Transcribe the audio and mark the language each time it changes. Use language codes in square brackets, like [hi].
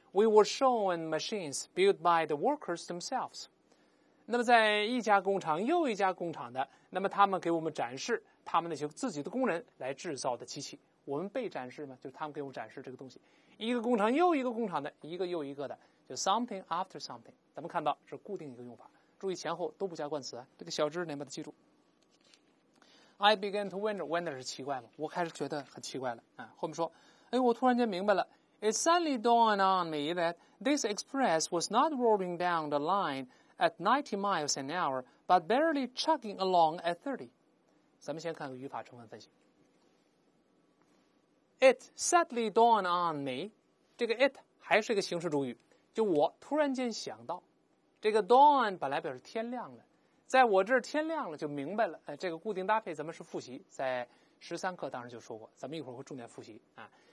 [en] We were shown machines built by the workers themselves. [zh] 那么在一家工厂又一家工厂的，那么他们给我们展示他们那些自己的工人来制造的机器。我们被展示嘛，就是他们给我们展示这个东西。一个工厂又一个工厂的，一个又一个的，就 [en] something after something。 [zh] 咱们看到是固定一个用法，注意前后都不加冠词，这个小知识你把它记住。 [en] I began to wonder, wonder [zh] 是奇怪吗？我开始觉得很奇怪了啊。后面说，哎，我突然间明白了。 [en] It suddenly dawned on me that this express was not rolling down the line at 90 miles an hour, but barely chugging along at 30. [zh] 咱们先看个语法成分分析。 [en] It suddenly dawned on me, [zh] 这个 it 还是一个形式主语，就我突然间想到，这个 dawn 本来表示天亮了。在我这儿天亮了就明白了，这个固定搭配咱们是复习，在十三课当时就说过，咱们一会儿会重点复习啊。